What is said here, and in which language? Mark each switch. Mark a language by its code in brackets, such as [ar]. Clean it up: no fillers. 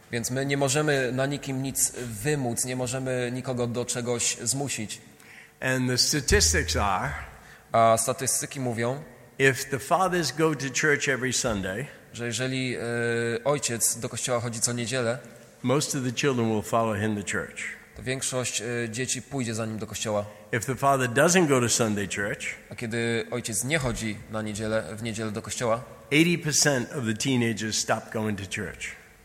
[pl] Więc my nie możemy na nikim nic wymóc, nie możemy nikogo do czegoś zmusić. [en] And the statistics are, [pl] statystyki mówią, [en] if the fathers go to church every Sunday, [pl] że jeżeli ojciec do kościoła chodzi co niedzielę, [en] most of the children will follow him to church. [pl] To większość dzieci pójdzie za nim do kościoła. [en] If the father doesn't go to Sunday church, [pl] a kiedy ojciec nie chodzi na niedzielę, w niedzielę do kościoła, [en] 80% of the teenagers stop going to church.